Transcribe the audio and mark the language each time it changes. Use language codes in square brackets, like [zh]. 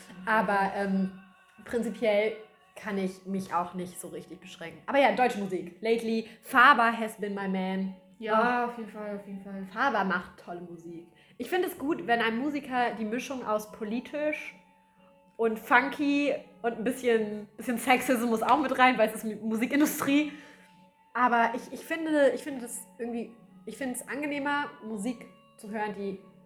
[de] Aber prinzipiell kann ich mich auch nicht so richtig beschränken. Aber ja, deutsche Musik. [en] Lately, Faber has been my man. [de] Ja, oh. auf jeden Fall. Faber macht tolle Musik. Ich finde es gut, wenn ein Musiker die Mischung aus politisch und funky und ein bisschen Sexismus auch mit rein, weil es ist Musikindustrie, Aber ich finde es angenehmer, Musik zu hören, die